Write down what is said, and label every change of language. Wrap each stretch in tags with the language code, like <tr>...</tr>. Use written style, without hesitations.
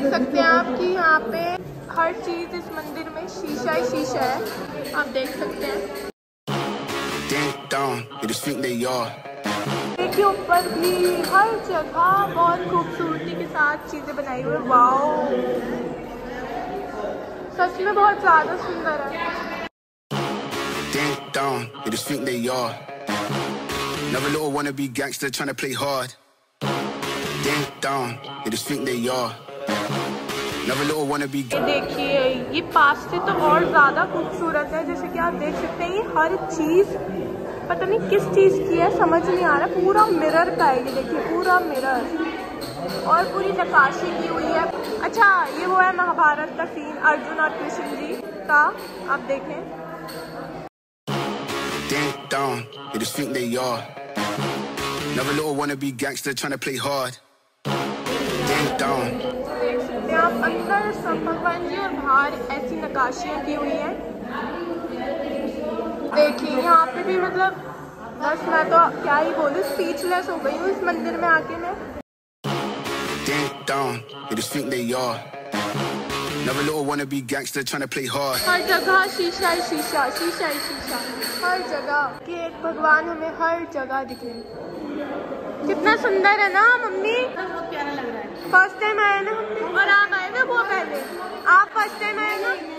<hi>देख सकते हैं आप कि यहाँ पे हर चीज इस मंदिर में शीशा ही शीशा है, आप देख सकते हैं। देखिए ऊपर भी हर जगह बहुत खूबसूरती के साथ चीजें बनाई हुई है। वाओ, सच में बहुत ज्यादा सुंदर है।</hi> <en>Down, they just think they are. Another little wannabe gangster trying to play hard. Deep down, they just think they are. Another little wannabe.</en> <hi>देखिए ये पास से तो और ज़्यादा खूबसूरत है, जैसे कि आप देख सकते हैं ये हर चीज़ पता नहीं किस चीज़ की है, समझ नहीं आ रहा। पूरा मिरर का है ये, देखिए पूरा मिरर और पूरी नक्काशी की हुई है। अच्छा ये वो है महाभारत का सीन, अर्जुन और कृष्ण जी का, आप देखें।</hi> <en>Down, they just think they are. Another little wannabe gangster trying to play hard. Deep down.</en> <hi>आप अंदर सब भगवान जी और बाहर ऐसी नकाशियां की हुई हैं। देखिए यहाँ पे भी मतलब बस मैं तो क्या ही बोलूँ, स्पीचलेस हो गई हूँ इस मंदिर में आके मैं।</hi> <en>Deep down, they just think they are. Another little wannabe gangster trying to play hard.</en> <hi>हर जगह शीशा ही शीशा, शीशा ही शीशा, हर जगह कि एक भगवान हमें हर जगह दिखे। कितना सुंदर है ना मम्मी, बहुत प्यारा लग रहा है। फर्स्ट टाइम आए ना हम, और आप आए ना वो पहले, आप फर्स्ट टाइम आए ना।</hi>